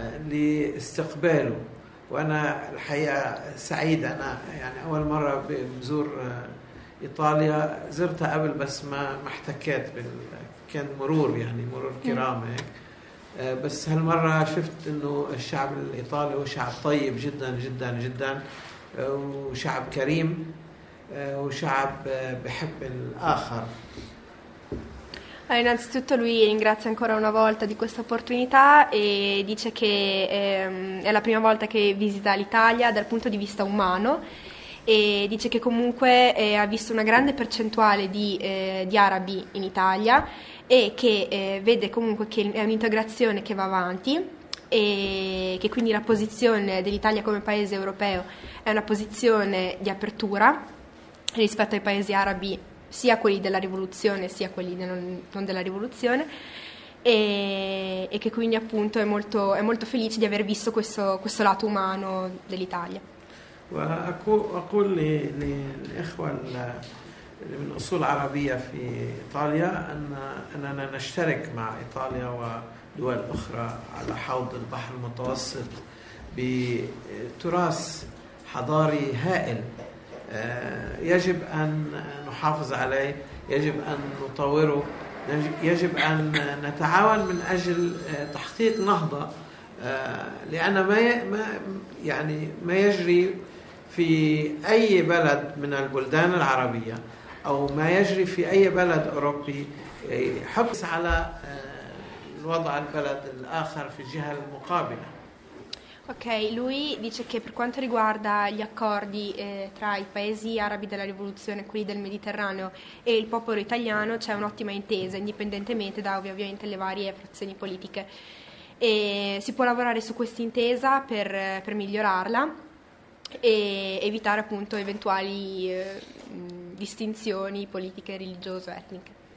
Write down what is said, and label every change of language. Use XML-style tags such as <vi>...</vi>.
<ar>لاستقباله وأنا الحقيقة سعيد أنا يعني أول مرة بزور إيطاليا زرتها قبل بس ما احتكيت كان مرور يعني مرور كرامة بس هالمرة شفت إنه الشعب الإيطالي هو شعب طيب جدا جدا جدا وشعب كريم وشعب بحب الآخر.</ar> <it>Innanzitutto lui ringrazia ancora una volta di questa opportunità e dice che è la prima volta che visita l'Italia dal punto di vista umano e dice che comunque ha visto una grande percentuale di arabi in Italia e che vede comunque che è un'integrazione che va avanti e che quindi la posizione dell'Italia come paese europeo è una posizione di apertura rispetto ai paesi arabi, sia quelli della rivoluzione sia quelli non della rivoluzione e che quindi appunto è molto felice di aver visto questo lato umano dell'Italia.</it> <ar>وأقول للإخوة من أصول عربية في إيطاليا أننا نشترك مع إيطاليا ودول أخرى على حوض البحر المتوسط بتراث حضاري هائل يجب أن نحافظ عليه، يجب أن نطوره، يجب أن نتعاون من أجل تحقيق نهضة، لأن ما يعني ما يجري في أي بلد من البلدان العربية أو ما يجري في أي بلد أوروبي حبس على الوضع البلد الآخر في الجهة المقابلة.</ar> <it>Ok, lui dice che per quanto riguarda gli accordi tra i paesi arabi della rivoluzione, quelli del Mediterraneo e il popolo italiano c'è un'ottima intesa, indipendentemente da ovviamente le varie frazioni politiche. E si può lavorare su questa intesa per migliorarla e evitare appunto eventuali distinzioni politiche, religiose, etniche.</it>